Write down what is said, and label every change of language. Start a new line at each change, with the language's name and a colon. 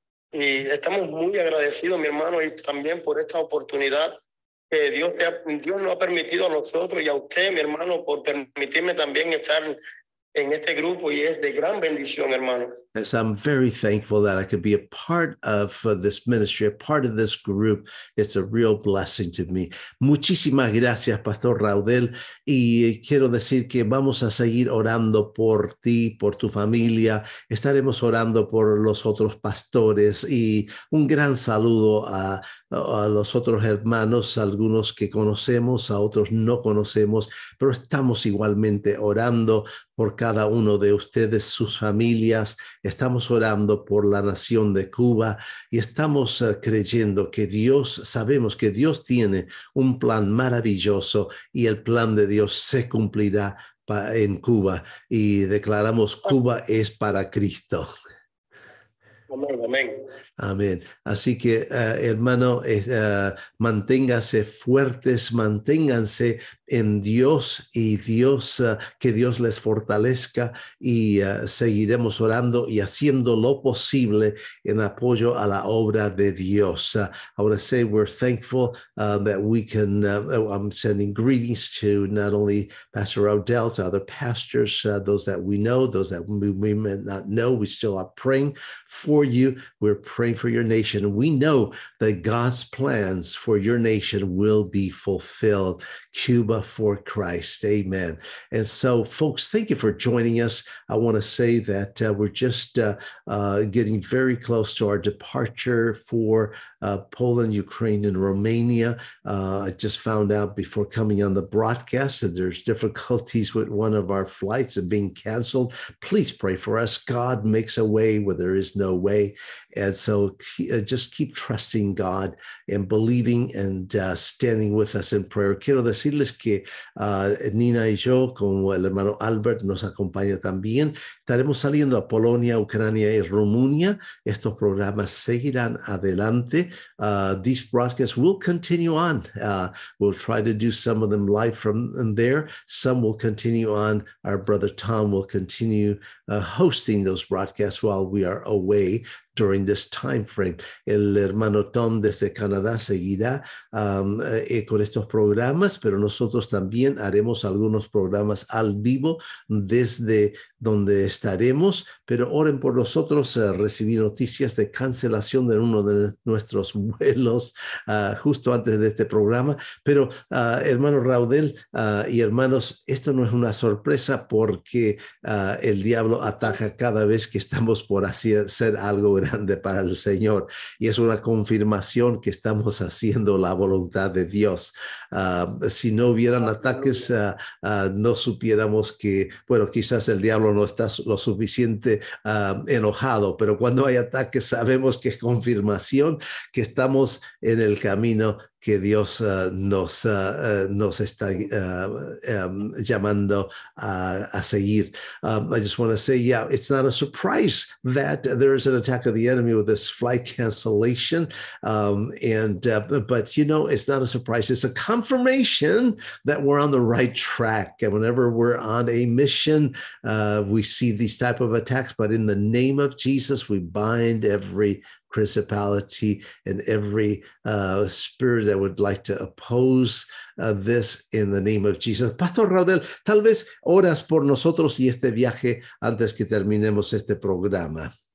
Spanish: Y estamos muy agradecidos, mi hermano, y también por esta oportunidad que Dios nos ha permitido a nosotros y a usted, mi hermano, por permitirme también estar en este grupo y es de gran bendición, hermano.
English: So I'm very thankful that I could be a part of this ministry, a part of this group. It's a real blessing to me.
Spanish: Muchísimas gracias,
English: Pastor Raudel.
Spanish: Y quiero decir que vamos a seguir orando por ti, por tu familia. Estaremos orando por los otros pastores. Y un gran saludo a los otros hermanos, algunos que conocemos, a otros no conocemos, pero estamos igualmente orando por cada uno de ustedes, sus familias. Estamos orando por la nación de Cuba y estamos creyendo que Dios, sabemos que Dios tiene un plan maravilloso y el plan de Dios se cumplirá en Cuba. Y declaramos, Cuba es para Cristo. Amén. Amén. Así que, hermano, manténgase fuertes, manténganse en Dios y Dios, que Dios les fortalezca y seguiremos orando y haciendo lo posible en apoyo a la obra de Dios.
English: I want to say we're thankful that we can, I'm sending greetings to not only Pastor Raudel, to other pastors, those that we know, those that we may not know. We still are praying for you. We're praying for your nation. We know that God's plans for your nation will be fulfilled. Cuba for Christ. Amen. And so, folks, thank you for joining us. I want to say that we're just getting very close to our departure for Poland, Ukraine, and Romania. I just found out before coming on the broadcast that there's difficulties with one of our flights and being canceled. Please pray for us. God makes a way where there is no way. And so just keep trusting God and believing and standing with us in prayer.
Spanish: Quiero decirles que Nina y yo, como el hermano Albert, nos acompaña también. Estaremos saliendo a Polonia, Ucrania y Rumania. Estos programas seguirán adelante.
English: These broadcasts will continue on. We'll try to do some of them live from there. Some will continue on. Our brother Tom will continue hosting those broadcasts while we are away during this time frame.
Spanish: El hermano Tom desde Canadá seguirá con estos programas, pero nosotros también haremos algunos programas al vivo desde donde estaremos. Pero oren por nosotros. Recibí noticias de cancelación de uno de nuestros vuelos justo antes de este programa. Pero hermano Raudel y hermanos, esto no es una sorpresa porque el diablo ataca cada vez que estamos por hacer algo grande para el Señor. Y es una confirmación que estamos haciendo la voluntad de Dios. Si no hubieran ataques, no supiéramos que, bueno, quizás el diablo no está lo suficiente enojado, pero cuando hay ataques sabemos que es confirmación que estamos en el camino que Dios nos está llamando a seguir.
English: I just want to say, yeah, it's not a surprise that there is an attack of the enemy with this flight cancellation. But you know, it's not a surprise. It's a confirmation that we're on the right track. And whenever we're on a mission, we see these type of attacks. But in the name of Jesus, we bind every principality and every spirit that would like to oppose this in the name of Jesus.
Spanish: Pastor Raudel, tal vez oras por nosotros y este viaje antes que terminemos este programa.